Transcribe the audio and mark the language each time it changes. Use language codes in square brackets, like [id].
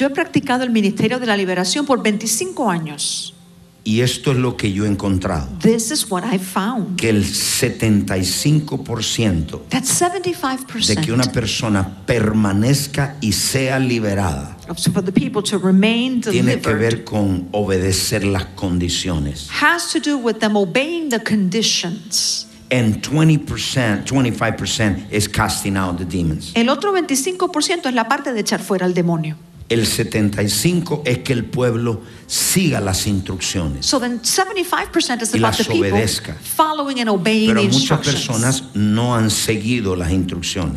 [es] Yo he practicado el ministerio de la liberación por 25 años. Y esto es lo que yo he encontrado. [en] This is what I found. [es] Que el 75%. [en] That 75%. [es] De que una persona permanezca y sea liberada. [en] For the people to remain delivered. [es] Tiene que ver con obedecer las condiciones. [en] Has to do with them obeying the conditions. And 20%, 25% is casting out the demons. [es] El otro 25% es la parte de echar fuera al demonio. El 75 es que el pueblo siga las instrucciones. [en] So then 75% is [es] y las obedezca. [en] Following and obeying [es] pero [en] the instructions. [es] Muchas personas no han seguido las instrucciones.